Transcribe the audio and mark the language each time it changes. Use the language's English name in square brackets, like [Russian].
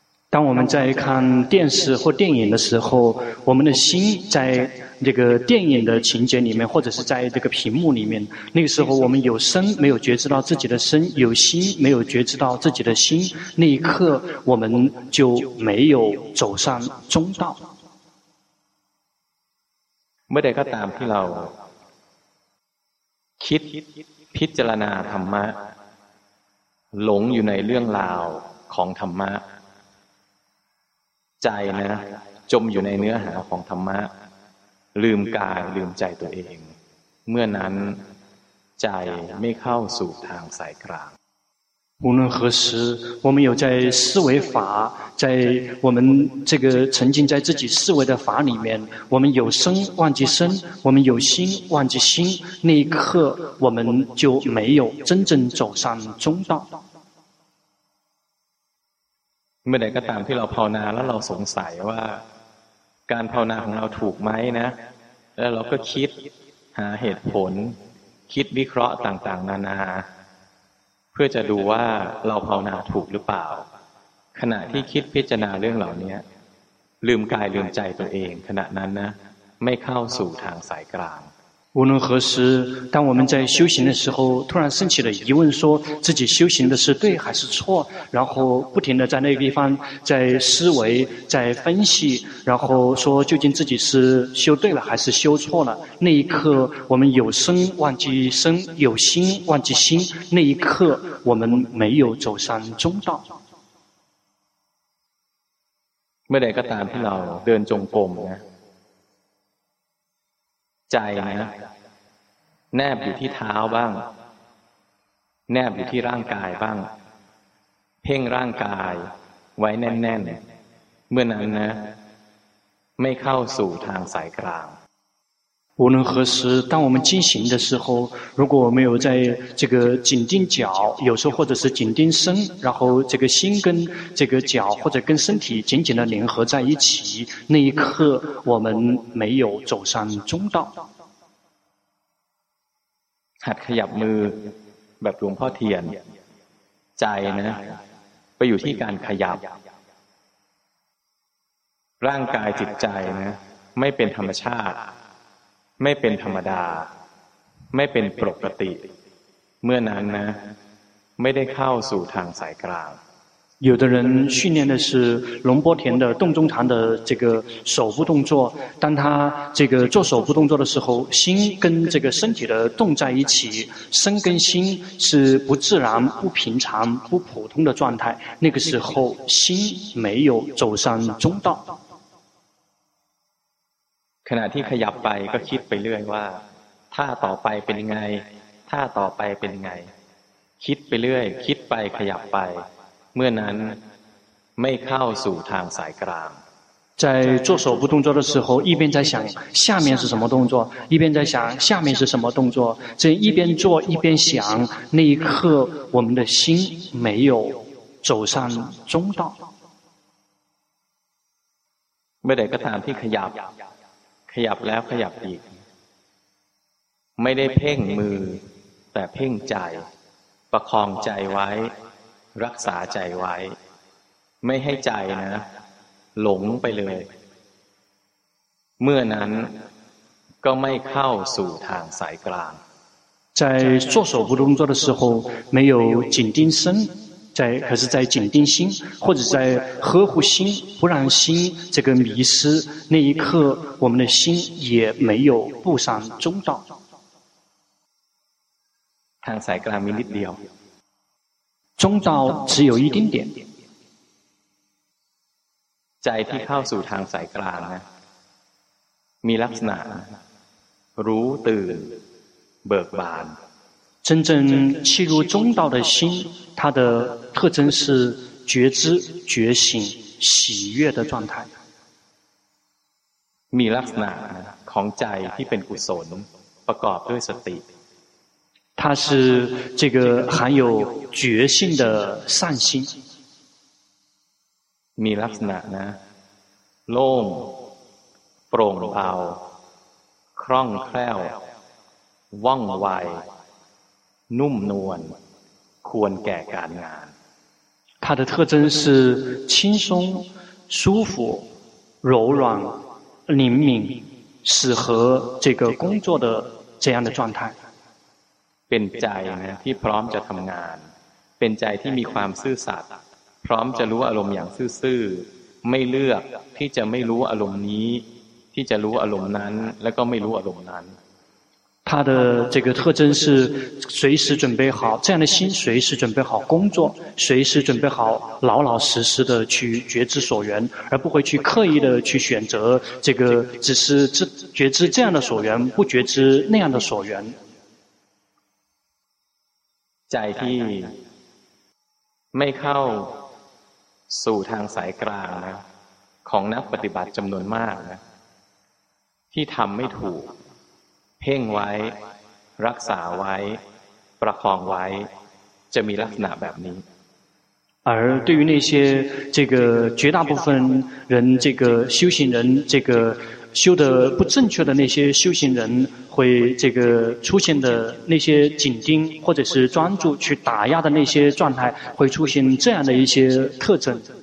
[Chinese] 当我们在看电视或电影的时候我们的心在这个电影的情节里面或者是在这个屏幕里面那个时候我们有身没有觉知到自己的身有心没有觉知到自己的心那一刻我们就没有走上中道 [Thai] เมื่อใดก็ตามที่เราคิดพิจารณาธรรมะหลงอยู่ในเรื่องราวของธรรมะใจนะจมอยู่ในเนื้อหาของธรรมะลืมกายลืมใจตัวเองเมื่อนั้นใจไม่เข้าสู่ทางสายกลาง [Chinese] 无论何时我们有在思维法在我们这个沉浸在自己思维的法里面我们有生忘记生我们有心忘记心那一刻我们就没有真正走上中道 [Thai] เมื่อใดก็ตามที่เราภาวนาแล้วเราสงสัยว่าการภาวนาของเราถูกไหมนะแล้วเราก็คิดหาเหตุผลคิดวิเคราะห์ต่างๆนานาเพื่อจะดูว่าเราภาวนาถูกหรือเปล่าขณะที่คิดพิจารณาเรื่องเหล่านี้ลืมกายลืมใจตัวเองขณะนั้นนะไม่เข้าสู่ทางสายกลาง [Chinese] 无论何时当我们在修行的时候突然升起了疑问说自己修行的是对还是错然后不停地在那个地方在思维在分析然后说究竟自己是修对了还是修错了那一刻我们有生忘记生有心忘记心那一刻我们没有走上中道 [Thai] เมื่อใดก็ตามที่เราเดินจงกรมนะใจนะแนบอยู่ที่เท้าบ้างแนบอยู่ที่ร่างกายบ้างเพ่งร่างกายไว้แน่นๆเมื่อนั้นนะไม่เข้าสู่ทางสายกลาง [Chinese] 无论何时当我们进行的时候如果我没有在这个紧盯脚有时候或者是紧盯身然后这个心跟这个脚或者跟身体紧紧的联合在一起那一刻我们没有走上中道 [Thai] หัดขยับมือแบบหลวงพ่อเทียนใจนะไปอยู่ที่การขยับร่างกายจิตใจนะไม่เป็นธรรมชาติ ไม่เป็นธรรมดาไม่เป็นปกติเมื่อนั้นนะไม่ได้เข้าสู่ทางสายกลาง [Chinese] 有的人训练的是龙波田的洞中禅的这个手部动作，当他这个做手部动作的时候，心跟这个身体的动在一起，身跟心是不自然、不平常、不普通的状态。那个时候，心没有走上中道。 [Thai] ขณะที่ขยับไปก็คิดไปเรื่อยว่าถ้าต่อไปเป็นไงถ้าต่อไปเป็นไงคิดไปเรื่อยคิดไปขยับไปเมื่อนั้นไม่เข้าสู่ทางสายกลาง [Chinese] 在做手部动作的时候一边在想下面是什么动作一边在想下面是什么动作这一边做一边想那一刻我们的心没有走上中道 [Thai] เมื่อใดก็ตามที่ขยับขยับแล้วขยับอีกไม่ได้เพ่งมือแต่เพ่งใจประคองใจไว้รักษาใจไว้ไม่ให้ใจนะหลงไปเลยเมื่อนั้นก็ไม่เข้าสู่ทางสายกลาง [Chinese] 在做手部动作的时候没有紧盯身在可是在紧盯心或者在呵护心不让心这个迷失那一刻我们的心也没有步上中道 [Thai] ทางสายกลางมีนิดเดียว [Chinese] 中道只有一丁点。 [Thai] 在ที่เข้าสู่ทางสายกลางนะมีลักษณะรู้ตื่นเบิกบาน [Chinese] 真正契入中道的心它的特征是觉知觉醒喜悦的状态 [Thai] มีลักษณะของใจที่เป็นกุศลประกอบด้วยสติ [Chinese] 它是这个含有觉性的善心 [Thai] มีลักษณะนะโล่งโปร่งเบาคล่องแคล่วว่องไวนุ่มนวลควรแก่การงาน [Chinese] 它的特征是轻松舒服柔软灵敏适合这个工作的这样的状态 [Thai] เป็นใจนะที่พร้อมจะทำงานเป็นใจที่มีความซื่อสัตย์พร้อมจะรู้อารมณ์อย่างซื่อไม่เลือกที่จะไม่รู้อารมณ์นี้ที่จะรู้อารมณ์นั้นแล้วก็ไม่รู้อารมณ์นั้น [Chinese] 他的这个特征是随时准备好这样的心随时准备好工作随时准备好老老实实的去觉知所缘而不会去刻意的去选择这个只是觉知这样的所缘不觉知那样的所缘 [Thai] ใจที่ไม่เข้าสู่ทางสายกลางนะของนักปฏิบัติจำนวนมากนะที่ทำไม่ถูกเพ่งไว้รักษาไว้ประคองไว้จะมีลักษณะแบบนี้ [Chinese] 而对于那些这个绝大部分人这个修行人这个修得不正确的那些修行人会这个出现的那些紧盯或者是专注去打压的那些状态会出现这样的一些特征